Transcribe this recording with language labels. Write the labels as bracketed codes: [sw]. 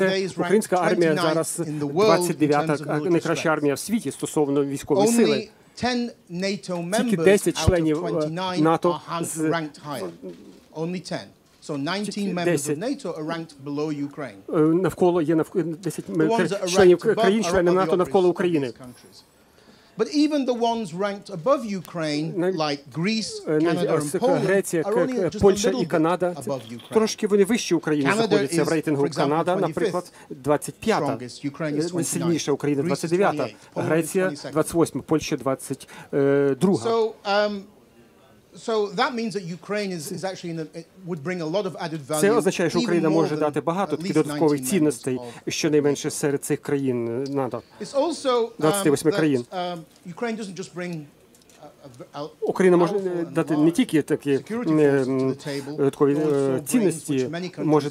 [uk] Українська армія зараз 29-та найкраща армія в світі стосовно військової сили. Тільки 10 членів НАТО з [en] ranked higher. Only 10. So 19 members of NATO are ranked below Ukraine. [uk] Навколо є 10 членів країн, члени НАТО навколо України. [en] But even the ones ranked above Ukraine, like Greece, Canada, and Poland, are only just a little bit above Ukraine. [uk] Трошки вони вище України знаходяться в рейтингу. Канада, наприклад, 25-та. Найсильніша Україна 29-та. Греція 28-та. Польща 22-та. [en] So that means that Ukraine is actually in a, would bring a lot of added value. [uk] Це означає, що Україна може дати багато таких додаткових цінностей, щонайменше серед цих країн НАТО. [en] It's also [uk] країн. [en] Ukraine doesn't just bring [uk] Україна може дати не тільки такі додаткові цінності, може